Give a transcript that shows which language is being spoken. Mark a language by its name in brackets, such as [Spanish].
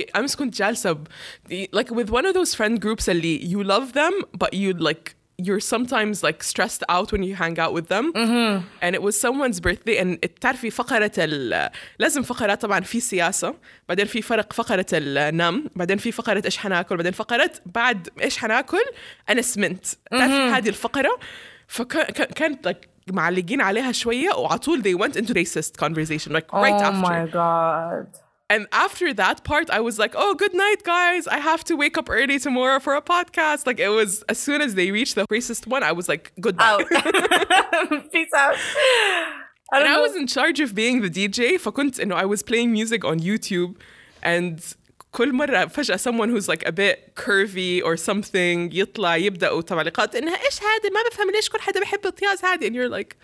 [English] I'm just going to jalsa, like with one of those friend groups. Ali, you love them, but you like you're sometimes like stressed out when you hang out with them. Mm-hmm. And it was someone's birthday, and it [Arabic] تعرفي فقرة ال لازم فقرة طبعا في سياسة بعدين في فرق فقرة النم بعدين في فقرة إيش حناكل بعدين فقرة بعد إيش حناكل أنا سمنت تعرفي هذه الفقرة فكانت like معلقين عليها شوية وعطول [English] they went into racist conversation like right oh after oh my god and after that part I was like oh good night guys I have to wake up early tomorrow for a podcast like it was as soon as they reached the racist one I was like good night out. peace out and I was in charge of being the DJ فكنت you know I was playing music on YouTube and [Arabic] كل مرة فجأة [English] someone who's like a bit curvy or something [Arabic] يطلع يبدأوا تعليقات إنها إيش هذا ما بفهم ليش كل حدا بحب الطياز هذه [English] and you're like